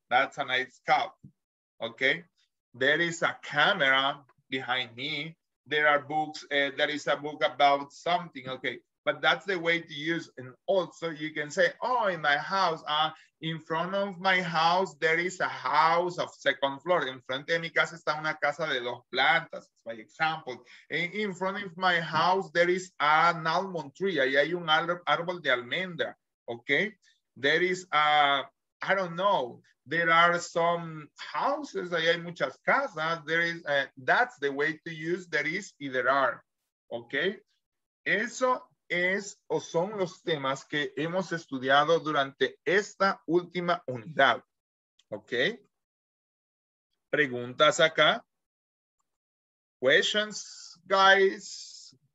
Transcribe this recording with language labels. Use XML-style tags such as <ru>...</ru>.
<en>That's a nice cup, okay? There is a camera behind me. There are books, there is a book about something, okay? But that's the way to use. And also you can say, oh, in my house, in front of my house, there is a house of second floor.</en> <es>En frente de mi casa está una casa de dos plantas.</es> <en>That's my example. And in front of my house, there is an almond tree.</en> <es>Ahí hay un árbol de almendra,</es> <en>okay? There is, I don't know, there are some houses,</en> <es>ahí hay muchas casas,</es> <en>there is, that's the way to use there is y there are, okay?</en> <es>Eso es o son los temas que hemos estudiado durante esta última unidad, okay? Preguntas acá,</es> <en>questions, guys?</en>